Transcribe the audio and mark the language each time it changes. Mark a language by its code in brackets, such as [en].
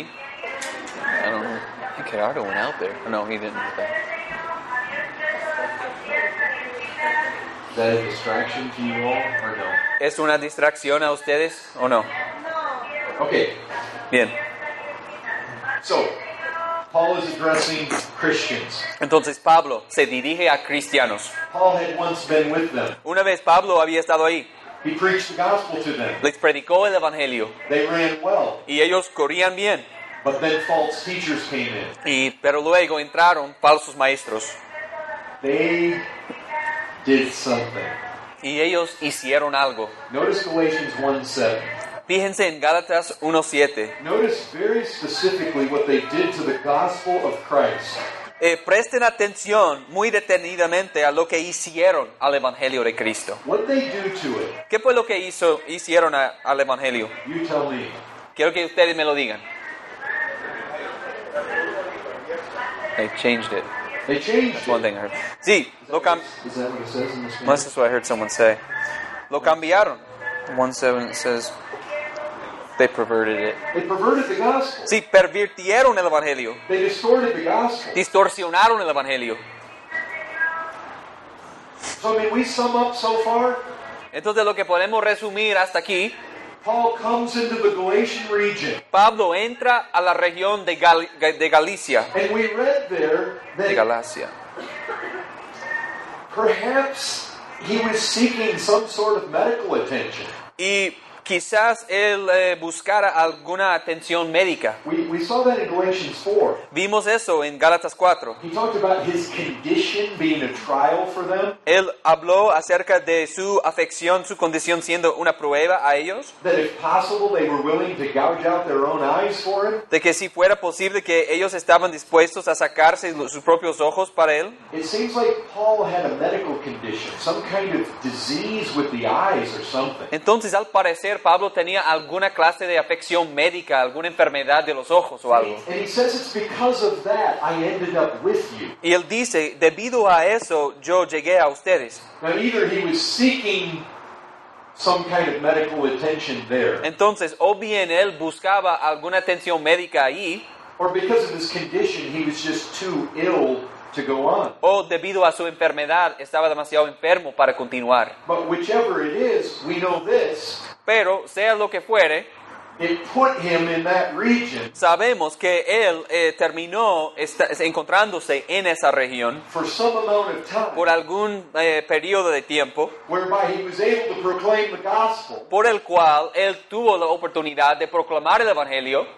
[en] I don't know. I think Gerardo went out there. No, he didn't. Is that a distraction to you all or no? [es] ¿Es una distracción a ustedes o no? [en] Okay. [es] Bien. [en] So, Paul is addressing Christians. [es] Entonces, Pablo se dirige a cristianos. [en] Paul had once been with them. [es] Una vez Pablo había estado ahí. [en] He preached the gospel to them. [es] Les predicó el evangelio. [en] They ran well. [es] Y ellos corrían bien. [en] But then false teachers came in. [es] Pero luego entraron falsos maestros. [en] They did something. [es] Y ellos hicieron algo. [en] Notice Galatians 1:7. [es] Fíjense en Gálatas 1:7. [en] Notice very specifically what they did to the gospel of Christ. [es] Presten atención muy detenidamente a lo que hicieron al Evangelio de Cristo. [en] What they do to it. [es] ¿Qué fue lo que hicieron al Evangelio? [en] You tell me. [es] Quiero que ustedes me lo digan. [en] They changed it. They changed That's it. One thing I heard. [es] Sí, lo cambiaron. [en] Unless that's what I heard someone say. [es] Lo cambiaron. [en] 1:7 says they perverted it. They perverted the gospel. [es] Sí, pervirtieron el evangelio. [en] They distorted the gospel. [es] Distorsionaron el evangelio. [en] So, I mean, we sum up so far. [es] Entonces, lo que podemos resumir hasta aquí. [en] Paul comes into the Galatian region. [es] Pablo entra a la región de Galicia. [en] And we read there that [es] de Galacia. [en] Perhaps he was seeking some sort of medical attention. [es] Y quizás él buscara alguna atención médica. [en] We saw that in Galatians 4. [es] Vimos eso en Gálatas 4. [en] He talked about his condition being a trial for them. [es] Él habló acerca de su afección, su condición siendo una prueba a ellos. [en] That if possible, they were willing to gouge out their own eyes for him. [es] De que si fuera posible que ellos estaban dispuestos a sacarse sus propios ojos para él. [en] It seems like Paul had a medical condition, some kind of disease with the eyes or something. [es] Entonces, al parecer, Pablo tenía alguna clase de afección médica, alguna enfermedad de los ojos o algo. [en] And he says it's because of that I ended up with you. [es] Y él dice, debido a eso yo llegué a ustedes. [en] Now either he was seeking some kind of medical attention there. [es] Entonces, o bien él buscaba alguna atención médica ahí. [en] Or because of his condition he was just too ill to go on. [es] O debido a su enfermedad estaba demasiado enfermo para continuar. [en] But whichever it is, we know this. [es] Pero, sea lo que fuere, [en] it put him in that region. [es] Sabemos que él terminó encontrándose en esa región [en] for some amount of time, [es] por algún periodo de tiempo, [en] whereby he was able to proclaim the gospel, [es] por el cual él tuvo la oportunidad de proclamar el Evangelio